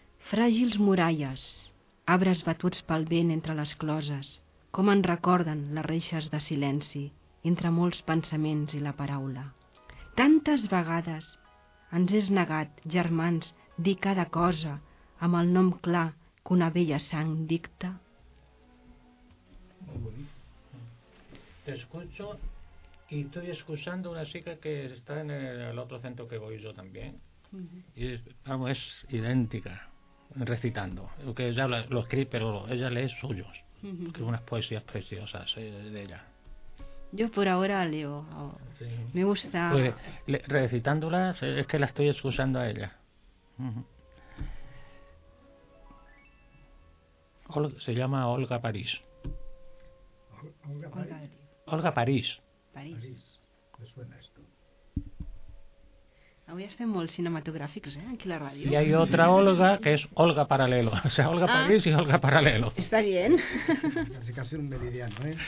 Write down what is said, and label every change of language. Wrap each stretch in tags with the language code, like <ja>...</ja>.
<ca>Fràgils muralles, arbres batuts pel vent entre les closes, com en recorden les reixes de silenci entre molts pensaments i la paraula. Tantes vegades ens és negat, germans, dir cada cosa amb el nom clar que una vella sang dicta.</ca> <es>T'escucho. Y estoy escuchando una chica que está en el otro centro que voy yo también. Uh-huh. Y vamos, es idéntica, recitando. Que ella lo escribe, pero ella lee suyos. Uh-huh. Que unas poesías preciosas de ella. Yo por ahora leo. Oh, sí. Me gusta. Pues, recitándolas, es que la estoy escuchando a ella. Uh-huh. Se llama Olga París. Olga París. Olga París. París. Me suena esto.</es> <ca>Avui estem molt cinematogràfics, aquí a la ràdio.</ca> <es>Y hay otra Olga, que es Olga Paralelo. O sea, Olga París y Olga Paralelo. Está bien. Así casi un meridiano, ¿eh?</es>